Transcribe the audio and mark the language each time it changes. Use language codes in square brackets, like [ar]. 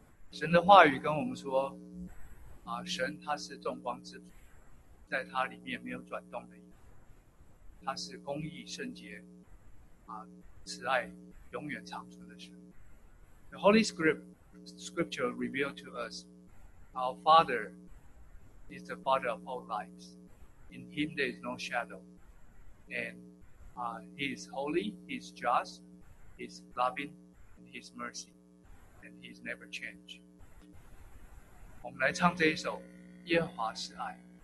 [zh] 神的话语跟我们说，神他是众光之主，在他里面没有转动的，他是公义圣洁，慈爱。永远长存的神。 [en] The Holy Scripture revealed to us our Father is the Father of all lights. In Him there is no shadow. And He is holy, He is just, He is loving, and He is mercy. And He is never changed. [zh] 我们来唱这一首《耶和华是爱》。